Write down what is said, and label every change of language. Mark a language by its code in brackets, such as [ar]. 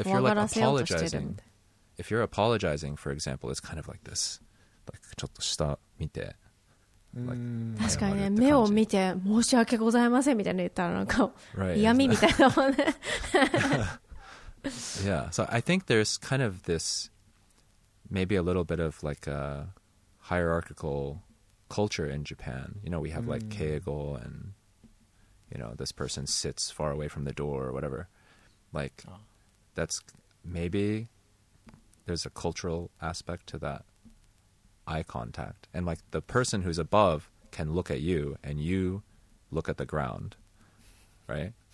[en] If you're like apologizing, if you're apologizing, for example, it's kind of like this. [ja] Like, ちょっと下見て、 like、確かにね、目を見て申し訳ございませんみたいな言ったらなんか、 [en] right, [ja] 嫌味みたいなもんね。 [en] Yeah, so I think there's kind of this maybe a little bit of like a hierarchical culture in Japan. You know, we have like keigo and you know, this person sits far away from the door or whatever. Like, that's maybe there's a cultural aspect to thateye contact and like the person who's above can look at you and you look at the ground, right?